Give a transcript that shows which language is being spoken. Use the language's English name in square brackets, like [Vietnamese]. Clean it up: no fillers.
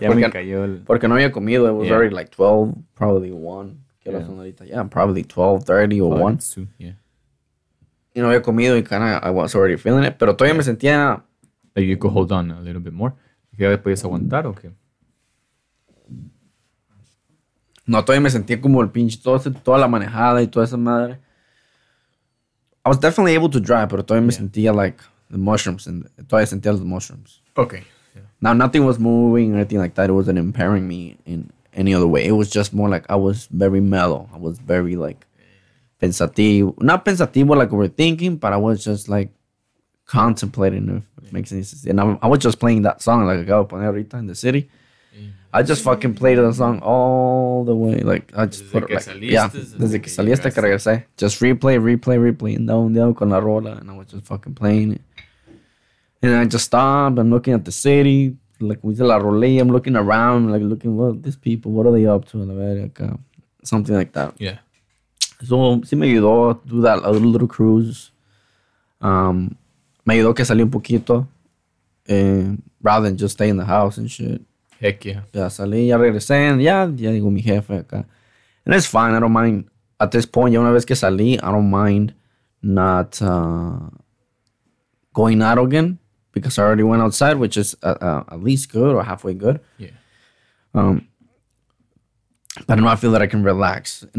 [Spanish] Ya porque, me cayó el... porque no había comido. [English] It was already like 12, probably 1. Yeah, probably 12, 30 or 1. Two. Yeah. [Spanish] Y no había comido y [English] kind of, I was already feeling it. [Spanish] Pero todavía me sentía... [English] Like you could hold on a little bit more. [Spanish] ¿Y ya podías aguantar o qué? No, todavía me sentía como el pinche, toda la manejada y toda esa madre. I was definitely able to drive, pero todavía me sentía like the mushrooms, and todavía sentía the mushrooms. [English] Okay. Yeah. Now nothing was moving or anything like that. It wasn't impairing me in any other way. It was just more like I was very mellow. I was very like pensativo, not pensativo like overthinking, but I was just like contemplating, if it makes any sense. And I was just playing that song like I got [Spanish] poner ahorita [English] in the city. I just fucking played the song all the way. Like, I just put it like, yeah, [Spanish] desde que salí hasta que regresé. [English] Just replay, and down, down [Spanish] con la rola. [English] And I was just fucking playing it. And I just stopped. I'm looking at the city. Like, with [Spanish] la rola, [English] I'm looking around. Like, looking, what, these people, what are they up to? Something like that. Yeah. [Spanish] So, sí me ayudó a [English] do that little cruise. [Spanish] Me ayudó que salí un poquito. [English] Rather than just stay in the house and shit. Heck yeah. [Spanish] Ya salí, ya regresé, ya digo mi jefe acá. [English] And it's fine, I don't mind. At this point, [Spanish] ya una vez que salí, [English] I don't mind not going out again because I already went outside, which is at least good or halfway good. Yeah. But now I feel that I can relax.